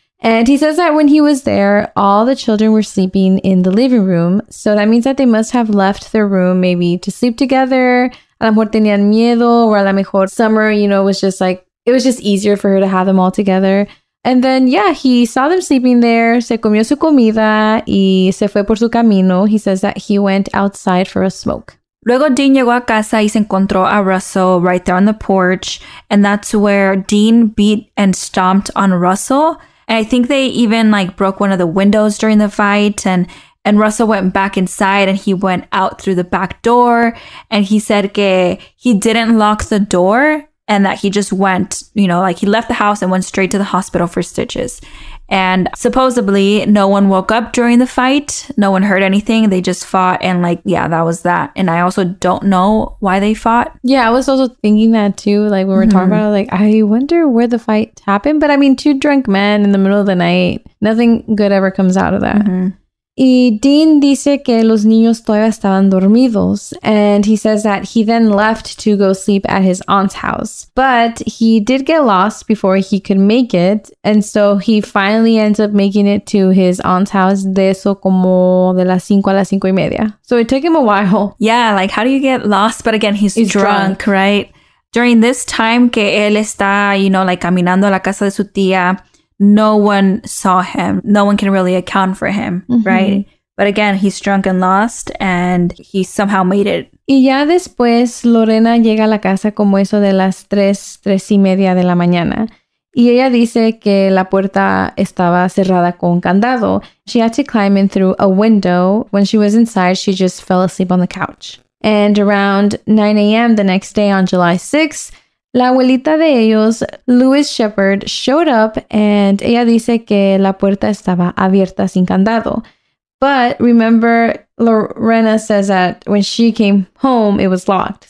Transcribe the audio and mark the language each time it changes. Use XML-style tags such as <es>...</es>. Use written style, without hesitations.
<en>And he says that when he was there, all the children were sleeping in the living room. So that means that they must have left their room maybe to sleep together.</en> <es>A lo mejor tenían miedo,</es> <en>or</en> <es>a lo mejor</es> <en>Summer, you know, was just like, it was just easier for her to have them all together. And then, yeah, he saw them sleeping there.</en> <es>Se comió su comida y se fue por su camino.</es> <en>He says that he went outside for a smoke.</en> <es>Luego Dean llegó a casa y se encontró a Russell</es> <en>right there on the porch. And that's where Dean beat and stomped on Russell. And I think they even like broke one of the windows during the fight. And Russell went back inside and he went out through the back door. And he said que he didn't lock the door and that he just went, you know, like he left the house and went straight to the hospital for stitches. And supposedly no one woke up during the fight. No one heard anything. They just fought. And like, yeah, that was that. And I also don't know why they fought. Yeah, I was also thinking that too. Like when we're talking about it, like, I wonder where the fight happened. But I mean, two drunk men in the middle of the night, nothing good ever comes out of that.</en> <es>Mm-hmm. Y Dean dice que los niños todavía estaban dormidos.</es> <en>And he says that he then left to go sleep at his aunt's house. But he did get lost before he could make it. And so he finally ends up making it to his aunt's house</en> <es>de eso como de las 5 a las 5 y media.</es> <en>So it took him a while. Yeah, like how do you get lost? But again, he's drunk, right? During this time</en> <es>que él está,</es> <en>you know, like</en> <es>caminando a la casa de su tía,</es> <en>no one saw him. No one can really account for him, right? But again, he's drunk and lost, and he somehow made it.</en> <es>Y ya después, Lorena llega a la casa como eso de las 3:30 de la mañana. Y ella dice que la puerta estaba cerrada con candado.</es> <en>She had to climb in through a window. When she was inside, she just fell asleep on the couch. And around 9 a.m. the next day on July 6th,</en> <es>la abuelita de ellos,</es> <en>Louis Shepherd, showed up and</en> <es>ella dice que la puerta estaba abierta sin candado.</es> <en>But remember, Lorena says that when she came home, it was locked.</en>